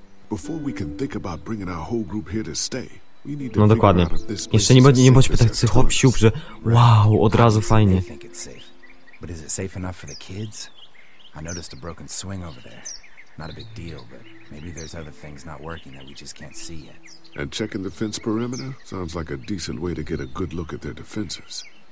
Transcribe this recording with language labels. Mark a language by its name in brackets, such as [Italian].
[English] Before we can think about bringing our whole group here to stay, we need to... [Polish] No dokładnie. Jeszcze nie bądźmy tak hop siup, że wow, od razu fajnie. [English] But is it safe enough for the kids? I noticed a broken swing over there. Not a big deal, but maybe there's other things not working that we just can't see yet. And checking the fence perimeter sounds like a decent way to get a good look at their defenses.